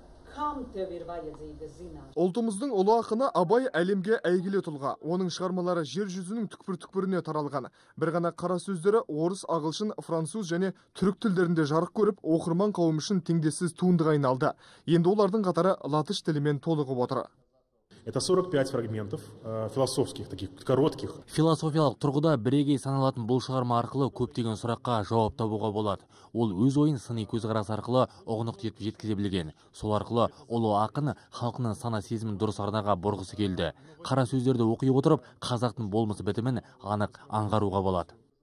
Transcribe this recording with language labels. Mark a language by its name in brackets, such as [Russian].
[Kazakh] Ұлтымыздың ұлы ақыны Абай әлемге әйгілі тұлға. Оның шығармалары жер жүзінің түкпір-түкпіріне таралған. Бір ғана қара сөздері орыс, ағылшын, француз және түрік тілдерінде жарық көріп, оқырман қауым үшін теңдессіз туындыға айналды. Енді олардың қатары латыш тілімен толығып отыр. [Russian] Это 45 фрагментов философских, таких коротких. [Kazakh] Философиялық тұрғыда бірегей саналатын бұл шығарма арқылы көптеген сұраққа жауап табуға болады. Ол өз ойын сыни көзқарас арқылы ұғынық етіп жеткізе білген. Сол арқылы ұлы ақын халқының сана сезімін дұрыс арнаға бұрғысы келді. Қара сөздерді оқи отырып, қазақтың болмысы бітімін анық аңғаруға болады.